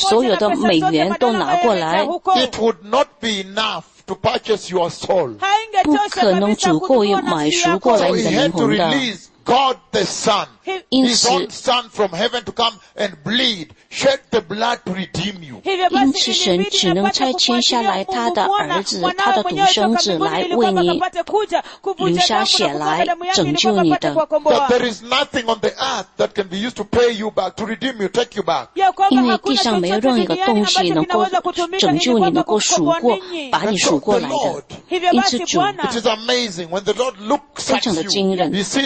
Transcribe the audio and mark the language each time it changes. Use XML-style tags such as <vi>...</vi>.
<zh>甚至这整个世界的中央银行的整个财富来，甚至是所有的美元都拿过来。</zh> <en>It would not be enough to purchase your soul.</en> <zh>不可能足够买赎过来你的灵魂的。</zh> <en>God the Son, His own Son from heaven to come and bleed, shed the blood to redeem you.</en> <zh>因此神只能差遣下来他的儿子，他的独生子来为你流下血来拯救你的。</zh> <en>But there is nothing on the earth that can be used to pay you back, to redeem you, take you back.</en> <zh>因为地上没有任何一个东西能够拯救你，能够赎过，把你赎过来的。因此主，</zh> <en>It is amazing when the Lord looks at you, He sees</en>